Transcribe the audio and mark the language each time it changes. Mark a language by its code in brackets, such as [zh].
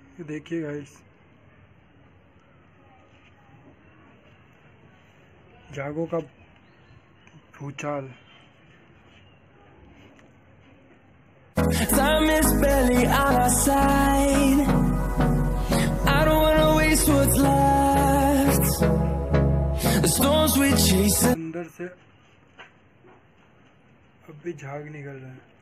[hi] देखिए गाइस, जागो का भूचाल। [en] Time is barely on our side. I don't wanna waste what's left. The storms we chase. [hi] अंदर से अब भी झाग निकल रहा है।